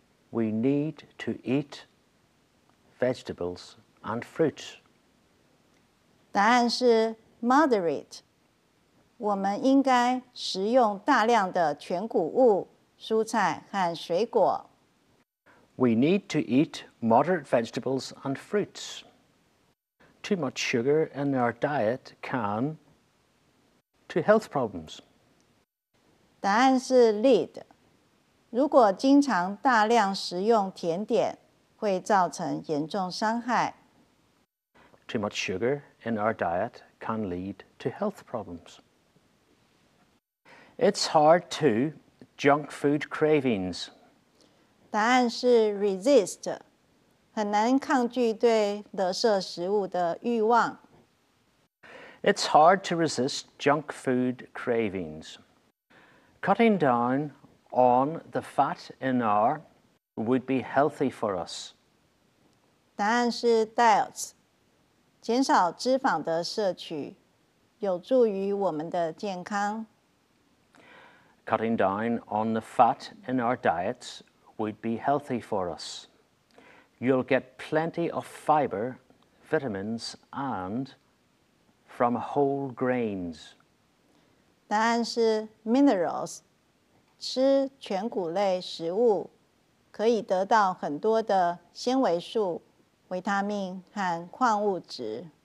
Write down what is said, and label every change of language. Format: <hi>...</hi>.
<en>We need to eat vegetables and fruits.</en> <zh>答案是 moderate. 我们应该食用大量的全谷物、蔬菜和水果。</zh> <en>We need to eat moderate vegetables and fruits. Too much sugar in our diet can to health problems.</en> <zh>答案是 lead. 如果经常大量食用甜点，会造成严重伤害。</zh> <en>Too much sugar in our diet can lead to health problems. It's hard to junk food cravings.</en> <zh>答案是 resist, 很难抗拒对垃圾食物的欲望。</zh> <en>It's hard to resist junk food cravings. Cutting down on the fat in our would be healthy for us.</en> <zh>答案是 diets, 减少脂肪的摄取，有助于我们的健康。</zh> <en>Cutting down on the fat in our dietswould be healthy for us. You'll get plenty of fiber, vitamins, and from whole grains.</en> <zh>答案是 minerals. 吃全谷类食物可以得到很多的纤维素、维他命和矿物质。</zh>